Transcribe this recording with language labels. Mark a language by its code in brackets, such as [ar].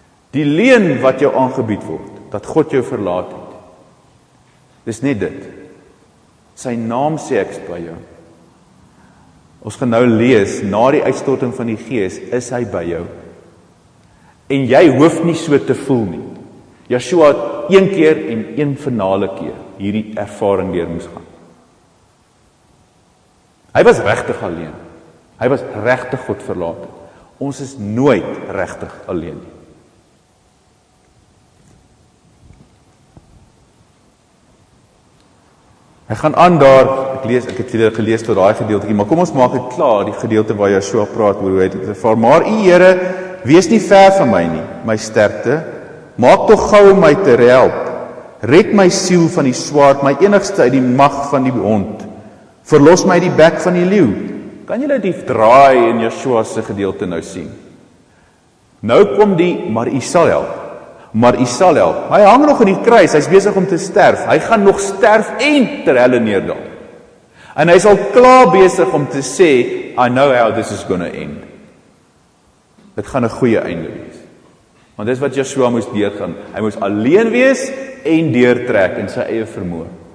[af] Die leen wat jou aangebied word, dat God jou verlaat het, dis net dit. Sy naam sê ek by jou. Ons gaan nou lees, na die uitstorting van die gees, is hy by jou. En jy hoef nie so te voel nie. Yeshua het een keer en een finale keer hierdie ervaring deur moes gaan. Hy was regtig alleen. Hy was regtig God verlaat. Ons is nooit regtig alleen nie. Hy gaan aan daar, ek het hierdie gelees tot daai gedeeltjie, maar kom ons maak dit klaar, die gedeelte waar Yeshua praat oor hoe hy dit ervaar. Maar u Here, wees nie ver van my nie, my sterkte. Maak tog gou om my te help. Red my siel van die swaard, my enigste uit die mag van die hond. Verlos my uit die bek van die leeu. Kan julle die draai in Yeshua se gedeelte nou sien? Nou kom die, maar u sal help. Maar u sal help. Hy hang nog in die kruis, hy is besig om te sterf. Hy gaan nog sterf en ter helle neerdal. En hy is al klaar besig om te sê, [en] I know how this is going to end. [af] Dit gaan 'n goeie einde wees. Want dis wat Yeshua moes deurgaan. Hy moes alleen wees en deurtrek in sy eie vermoë.